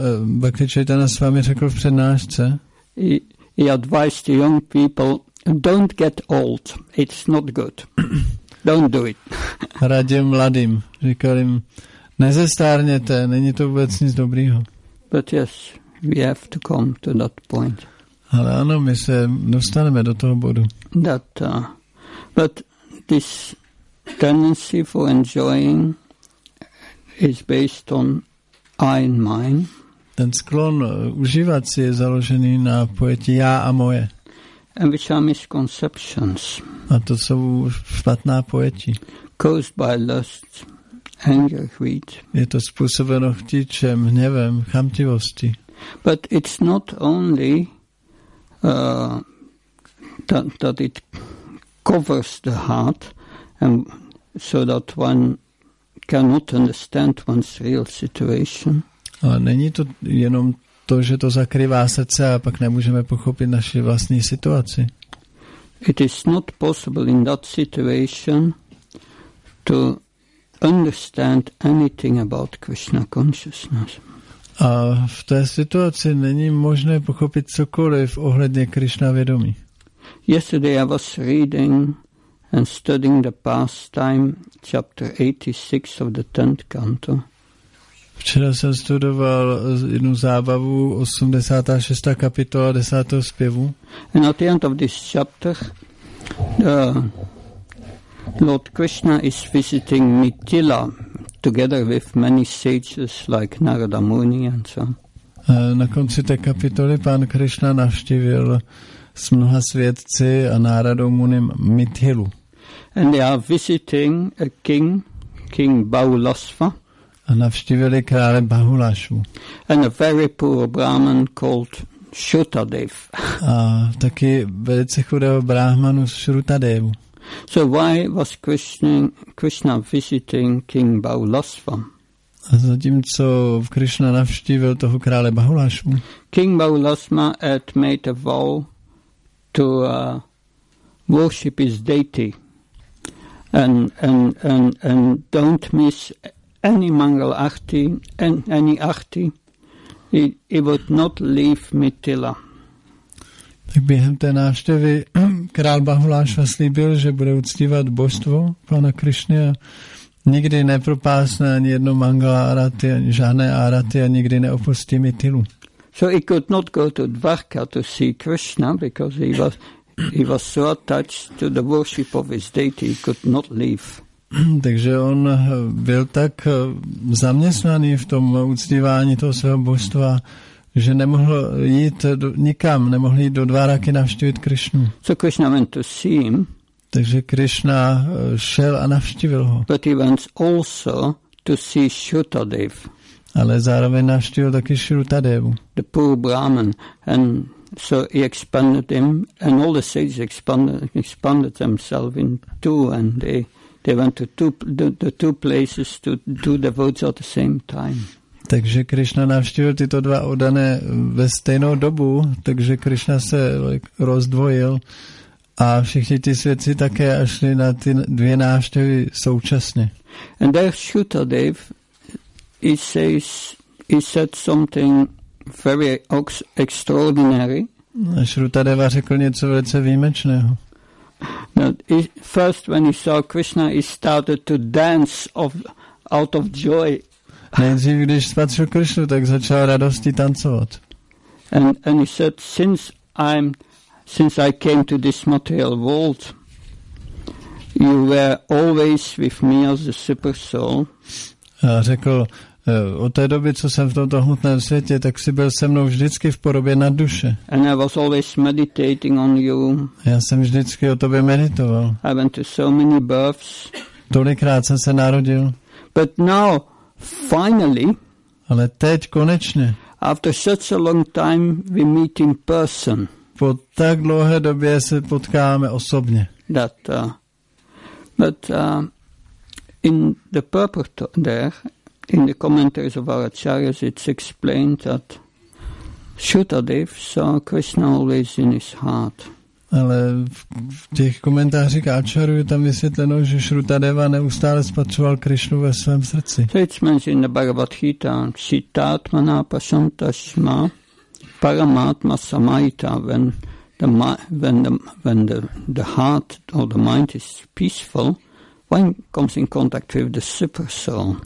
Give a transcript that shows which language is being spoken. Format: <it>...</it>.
<cs>Bhakti Chaitanya s vámi řekl v přednášce.</cs> <en>He advised the young people, don't get old, it's not good. Don't do it.</en> <cs>Radím mladým, říkal jim, nezestárněte, není to vůbec nic dobrýho.</cs> <en>But yes, we have to come to that point.</en> <cs>Ale ano, my se dostaneme do toho bodu.</cs> <en>That, but this tendency for enjoying is based on I and mine.</en> <cs>Ten sklon užívat si je založený na pojetí já a moje.</cs> <en>And which are misconceptions.</en> <cs>A to jsou špatná pojetí.</cs> <en>Caused by lust, anger, greed.</en> <cs>Je to způsobeno chtíčem, hněvem, chamtivosti.</cs> <en>But it's not only that it covers the heart and so that one cannot understand one's real situation.</en> <cs>Ale není to jenom to, že to zakrývá srdce a pak nemůžeme pochopit naši vlastní situaci.</cs> <en>It is not possible in that situation to understand anything about Krishna consciousness.</en> <cs>A v té situaci není možné pochopit cokoliv ohledně Krishna vědomí.</cs> <en>Yesterday I was reading and studying the pastime chapter 86 of the 10th canto.</en> <cs>Včera jsem studoval jednu zábavu, 86. kapitola 10. zpěvu.</cs> <en>And at the end of this chapter, Lord Krishna is visiting Mithila together with many sages like Narada Muni and so.</en> <cs>Na konci té kapitoly pán Krishna navštívil s mnoha svědci a Náradou Muni Mithilu.</cs> <en>And they are visiting a king Bahulasva.</en> <cs>A navštívili krále Bahulášu.</cs> <en>And a very poor brahman called Shrutadev.</en> <cs>A taky velice chudého brahmanu Shrutadevu.</cs> <en>So why was Krishna visiting King Bahulasva?</en> <cs>A zatímco Krishna navštívil toho krále Bahulášu.</cs> <en>King Bahulasma had made a vow to worship his deity and don't miss any mangal achti and any achti. He would not leave Mithila.</en> <cs>Tak během té návštěvy král Bahuláš slíbil, že bude uctívat božstvo pana Krišny a nikdy nepropásne ani jedno mangala arati, ani žádné arati a nikdy neopustí Mithilu.</cs> <en>So he could not go to Dvarka to see Krishna because he was so attached to the worship of his deity, he could not leave.</en> <cs>Takže on byl tak zaměstnaný v tom uctívání toho svého božstva, že nemohl jít nikam, nemohl jít do Dvaraky navštívit Krišnu.</cs> <en>So Krishna went to see him.</en> <cs>Takže Krishna šel a navštívil ho.</cs> <en>But he went also to see Shrutadev.</en> <cs>Ale zároveň navštívil taky Shrutadevu.</cs> <en>The poor Brahman. And so he expanded him and all the sages expanded themselves in two and they went to the two places to do the votes at the same time.</en> <cs>Takže Krishna navštívil tyto dva oddané ve stejnou dobu, takže Krishna se rozdvojil. A všichni ti svědci také šli na ty dvě návštěvy současně.</cs> <en>And there Shrutadev, he said something very extraordinary.</en> <cs>A Shrutadeva řekl něco velice výjimečného.</cs> <en>First when he saw Krishna, he started to dance out of joy.</en> <cs>Nejdřív, když spatřil Krishnu, tak začal radostí tancovat.</cs> <en>And he said, Since I came to this material world, you were always with me as the super soul.</en> <cs>A řekl, od té doby, co jsem v tomto hmotném světě, tak jsi byl se mnou vždycky v podobě na duše.</cs> <en>And I was always meditating on you.</en> <cs>Já jsem vždycky o tobě meditoval.</cs> <en>I went to so many births.</en> <cs>Tolikrát jsem se narodil.</cs> <en>But now, finally.</en> <cs>Ale teď konečně.</cs> <en>After such a long time, we meet in person.</en> <cs>Po tak dlouhé době se potkáme osobně.</cs> <en>That, in the purport there, in the commentaries of our acharyas, it's explained that Shrutadev saw Krishna always in his heart.</en> <cs>Ale v těch komentářích acharyů je tam vysvětleno, že Shrutadeva neustále spatřoval Krishnu ve svém srdci.</cs> <en>So it's mentioned in the Bhagavad Gita,</en> <sa>Sitatmana Pashantashma, Paramatma Samaita,</sa> <en>when the heart or the mind is peaceful, one comes in contact with the super soul.</en>